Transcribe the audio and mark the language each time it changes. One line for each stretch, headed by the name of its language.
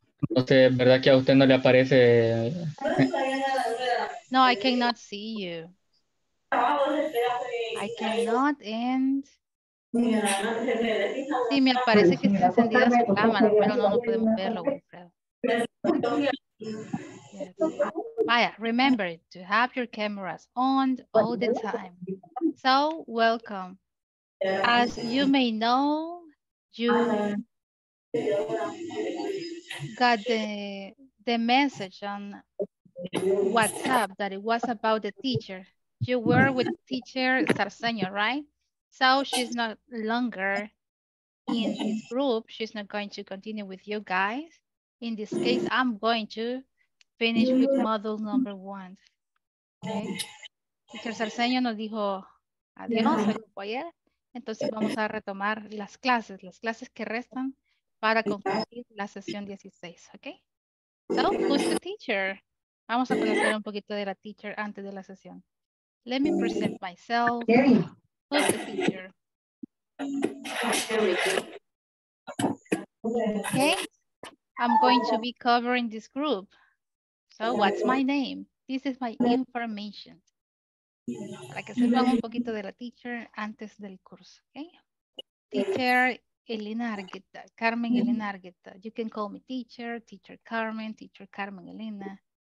Spanish: No sé, ¿verdad que a usted no le aparece?
English: No, I cannot see you. I cannot and...
Spanish: Sí, me parece que está encendida su cámara, pero no, no podemos verlo, Wilfredo.
English: Vaya, remember to have your cameras on all the time. So, welcome. As you may know, you... got the message on WhatsApp that it was about the teacher. You were with teacher Sarsenio, right? So she's not longer in this group. She's not going to continue with you guys. In this case, I'm going to finish with module number one. Okay.
Spanish: Teacher Sarsenio nos dijo adiós al grupo ayer. Entonces vamos a retomar las clases que restan. Para concluir la sesión 16, ¿ok?
English: So, who's the teacher?
Spanish: Vamos a conocer un poquito de la teacher antes de la sesión.
English: Let me present myself. Who's the teacher? Okay, I'm going to be covering this group. So, what's my name? This is my information.
Spanish: Para que sepan un poquito de la teacher antes del curso, ¿ok?
English: Teacher Elena Argueta, Carmen Elena Argueta. You can call me teacher, teacher Carmen Elena.